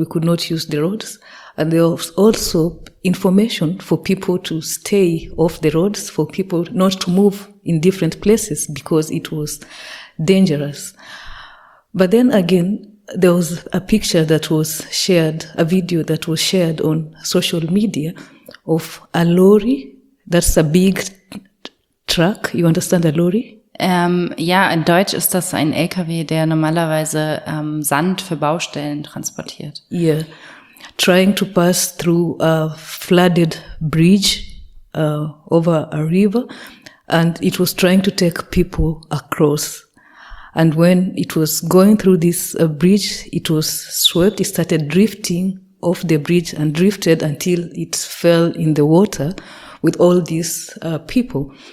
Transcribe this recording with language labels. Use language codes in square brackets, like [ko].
[en] We could not use the roads, and there was also information for people to stay off the roads, for people not to move in different places because it was dangerous. But then again, there was a picture that was shared, a video that was shared on social media of a lorry. That's a big truck. You understand a lorry? [de] Ja, in Deutsch ist das ein LKW, der normalerweise Sand für Baustellen transportiert. [en] Yeah. Trying to pass through a flooded bridge over a river, and it was trying to take people across. And when it was going through this bridge, it was swept. It started drifting off the bridge and drifted until it fell in the water with all these people.